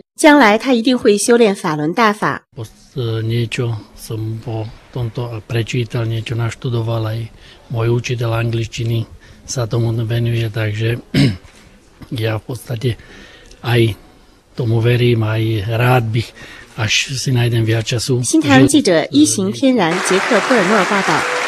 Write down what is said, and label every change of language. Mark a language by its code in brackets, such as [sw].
[zh] 神韵晚会引起米古斯先生对人生意义的思考，他表示，将来他一定会修炼法轮大法。 [sk] Něco jsem po tomto prečítal, něco naštudoval, i můj učitel angličtiny se tomu venuje, takže já v podstatě aj tomu verím, aj rád bych, až si najdem viac času. [zh] 新唐记者一行天然捷克布尔诺报道。